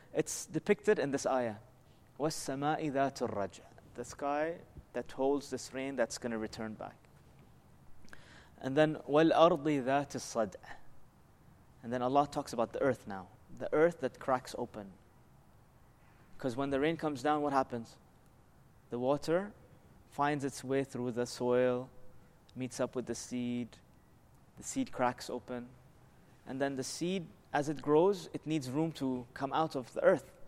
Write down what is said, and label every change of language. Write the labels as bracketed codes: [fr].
[en] It's depicted in this ayah. [ar] وَالسَّمَاءِ ذَاتُ الرَّجْعِ. [en] The sky that holds this rain that's going to return back. And then [ar] وَالْأَرْضِ ذَاتِ الصَّدْعِ. [en] And then Allah talks about the earth now. The earth that cracks open. Because when the rain comes down, what happens? The water finds its way through the soil, meets up with the seed cracks open. And then the seed, as it grows, it needs room to come out of the earth.